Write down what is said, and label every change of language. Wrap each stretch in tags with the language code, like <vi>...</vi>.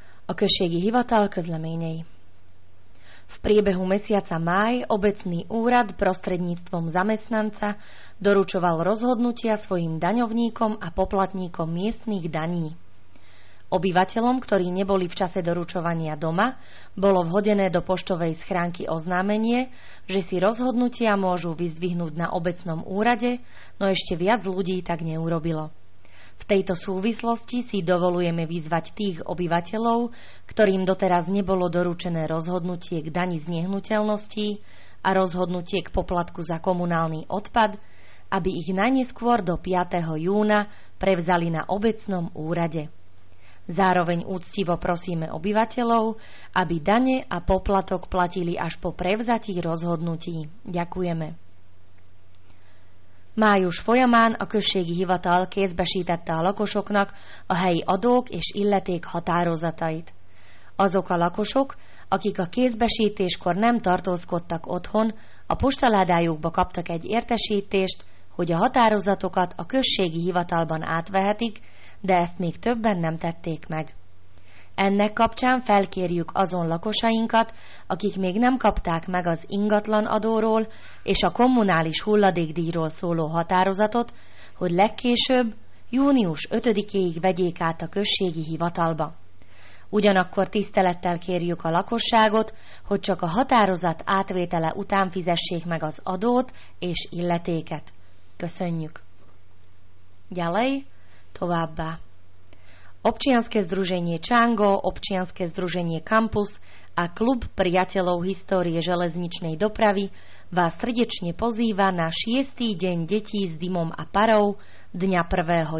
<hu>Okresnej hivatal Közleményei.</hu> <sk>V priebehu mesiaca máj obecný úrad prostredníctvom zamestnanca doručoval rozhodnutia svojim daňovníkom a poplatníkom miestnych daní. Obyvateľom, ktorí neboli v čase doručovania doma, bolo vhodené do poštovej schránky oznámenie, že si rozhodnutia môžu vyzdvihnúť na obecnom úrade, no ešte viac ľudí tak neurobilo. V tejto súvislosti si dovolujeme vyzvať tých obyvateľov, ktorým doteraz nebolo doručené rozhodnutie k dani z nehnuteľností a rozhodnutie k poplatku za komunálny odpad, aby ich najneskôr do 5. júna prevzali na obecnom úrade. Zároveň úctivo prosíme obyvateľov, aby dane a poplatok platili až po prevzatí rozhodnutí. Ďakujeme.</sk> <hu>Május folyamán a községi hivatal kézbesítette a lakosoknak a helyi adók és illeték határozatait. Azok a lakosok, akik a kézbesítéskor nem tartózkodtak otthon, a postaládájukba kaptak egy értesítést, hogy a határozatokat a községi hivatalban átvehetik, de ezt még többen nem tették meg. Ennek kapcsán felkérjük azon lakosainkat, akik még nem kapták meg az ingatlan adóról és a kommunális hulladékdíjról szóló határozatot, hogy legkésőbb, június 5-éig vegyék át a községi hivatalba. Ugyanakkor tisztelettel kérjük a lakosságot, hogy csak a határozat átvétele után fizessék meg az adót és illetéket. Köszönjük! Gyalej, továbbá!</hu> <sk>Občianske združenie Čango, občianske združenie Campus a klub priateľov histórie železničnej dopravy vás srdečne pozýva na 6. deň detí s dymom a parou dňa 1.</sk>